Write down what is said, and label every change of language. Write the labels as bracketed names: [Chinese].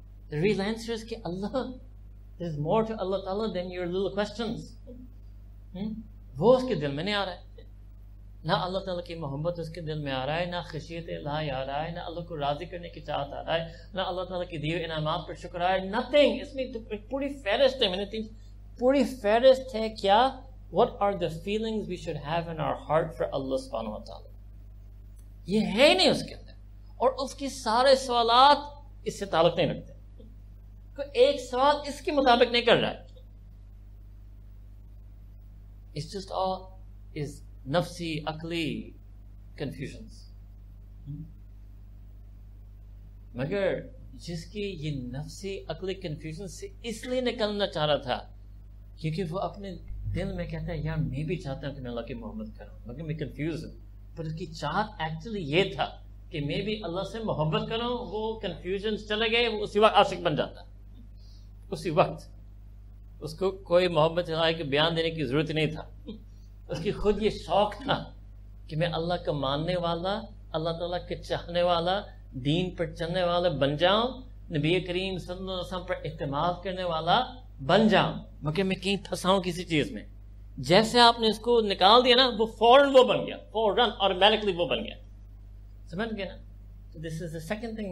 [English] The real answer is کہ Allah, there is more to Allah تعالیٰ than your little questions. [Urdu] وہ اس کے دل میں نہیں آ رہا ہے, نہ اللہ تعالیٰ کی محبت اس کے دل میں آ رہا ہے, نہ خشیت الہی آ رہا ہے, نہ اللہ کو راضی کرنے کی چاہت آ رہا ہے, نہ اللہ تعالیٰ کی دیو انعامات پر شکر آ رہا ہے, [English] Nothing. [Urdu] اس میں پوری فہرست ہے, میں نے پوری فہرست ہے کیا, [English] what are the feelings we should have in our heart for Allah subhanahu wa ta'ala. [Urdu] یہ ہے ہی نہیں اس کے اندر, اور اس کے سارے سوالات اس سے تعلق نہیں رکھتے, کوئی ایک سوال اس کے مطابق نہیں کر رہا ہے. [English] It's just all is nafsi, عقلی confusions. [Urdu] مگر جس کی یہ نفسی عقلی confusions سے اس لیے نکلنا چاہ رہا تھا کیونکہ وہ اپنے دل میں کہتا ہے یار میں بھی چاہتا ہوں کہ میں اللہ کی محبت کروں, مگر میں کنفیوز ہوں. پر اس کی چاہت ایکچولی یہ تھا کہ میں بھی اللہ سے محبت کروں, وہ کنفیوژن چلے گئے, وہ اسی وقت عاشق بن جاتا. اسی وقت اس کو کوئی محبت الہی کے بیان دینے کی ضرورت نہیں تھا, اس کی خود یہ شوق تھا کہ میں اللہ کا ماننے والا, اللہ تعالیٰ کے چاہنے والا, دین پر چلنے والا بن جاؤں, نبی کریم صلی اللہ علیہ وسلم پر اعتماد کرنے والا بن جاؤں, مگر میں کہیں پھنساؤں کسی چیز میں. جیسے آپ نے اس کو نکال دیا نا, وہ فوراً وہ بن گیا, فوراً آٹومیٹکلی وہ بن گیا. سمجھ گئے نا, [English] This is the second thing.